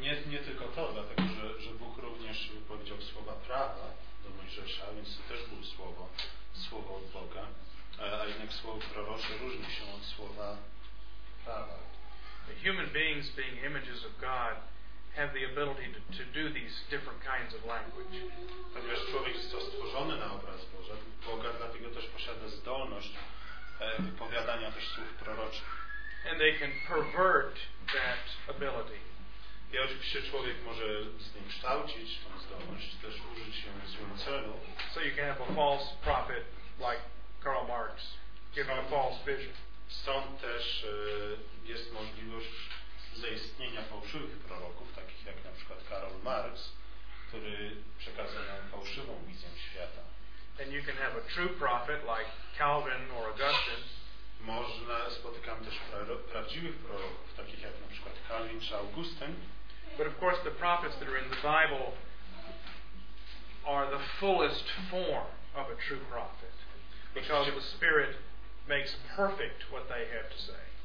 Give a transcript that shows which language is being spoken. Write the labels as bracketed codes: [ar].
[pl] Nie tylko to, dlatego, że Bóg również wypowiedział słowa prawa do Mojżesza, więc to też było słowo od Boga. A jednak słowo prorocze różni się od słowa prawa. [en] The human beings being images of God have the ability to do these different kinds of language. [pl] Ponieważ człowiek został stworzony na obraz Boga, dlatego też posiada zdolność wypowiadania też słów proroczych. [en] And they can pervert that ability. [pl] I oczywiście człowiek może z nim kształcić tą zdolność, czy też użyć ją w złym celu. [en] So you can have a false prophet like Karl Marx giving a false vision. [pl] Stąd też jest możliwość zaistnienia fałszywych proroków, takich jak na przykład Karl Marx, który przekazał nam fałszywą wizję świata. [en] And you can have a true prophet like Calvin or Augustine. [pl] Można spotykam też prawdziwych proroków, takich jak na przykład Calvin czy Augustyn. [en] But of course the prophets that are in the Bible are the fullest form of a true prophet. Because the Spirit makes perfect what they have to say.